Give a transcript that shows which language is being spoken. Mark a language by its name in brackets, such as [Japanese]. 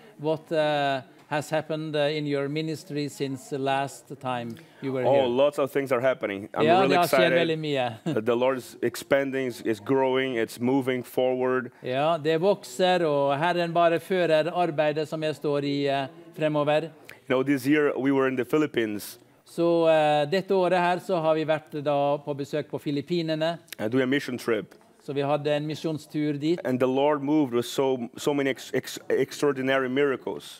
[English] What has happened in your ministry since the last time you were here? Oh, lots of things are happening. I'm [Norwegian] ja, [English] really excited. [Norwegian] Ja, det har skjedd veldig mye. [English] The Lord is expanding, is growing, it's moving forward. [Norwegian] Ja, det vokser, og Herren bare fører arbeidet som jeg står i fremover. [English] You know, this year we were in the Philippines. [Norwegian] Så dette året her så har vi vært da på besøk på Filippinene. [English] And do a mission trip. [Norwegian] Så vi hadde en misjonstur dit. [English] And the Lord moved with so many extraordinary miracles.